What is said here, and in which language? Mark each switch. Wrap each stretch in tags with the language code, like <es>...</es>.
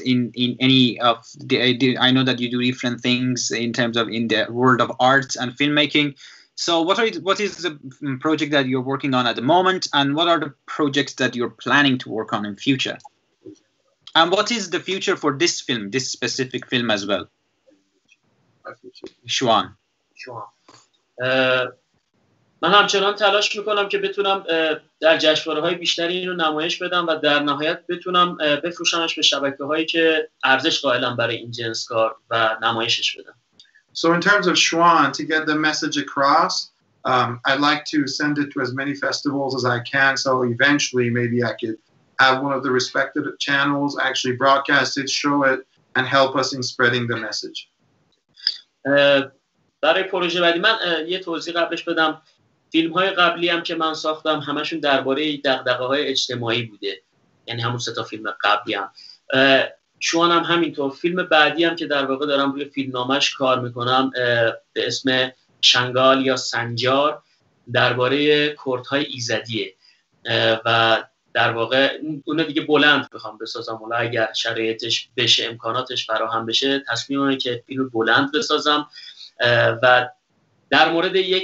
<en>In any of the, I know that you do different things in terms of in the world of art and filmmaking. So, what is the project that you're working on at the moment, and what are the projects that you're planning to work on in future? And what is the future for this film, this specific film as well? Showan.</en> <fa>من همچنان تلاش میکنم که بتونم در جشنواره‌های بیشتری اینو نمایش بدم و در نهایت بتونم بفروشمش به شبکه‌هایی که ارزش قائلن برای این جنس کار و نمایشش بدم.</fa> <en>So in terms of Showan, to get the message across, I'd like to send it to as many festivals as I can so eventually maybe I could have one of the respected channels actually broadcast it, show it and help us in spreading the message.</en> <fa>برای پروژه بعدی من یه توضیح قبلش بدم فیلم‌های قبلی هم که من ساختم همشون درباره دغدغه‌های اجتماعی بوده یعنی همون سه تا فیلم قبلی هم شوان هم همینطور فیلم بعدی هم که در واقع دارم روی فیلمنامه‌اش کار می‌کنم به اسم شنگال یا سنجار درباره کردهای ایزدیه و در واقع اون دیگه بلند می‌خوام بسازم ولی اگر شرایطش بشه امکاناتش فراهم بشه تصمیم اینه که فیلم بلند بسازم و در مورد</fa>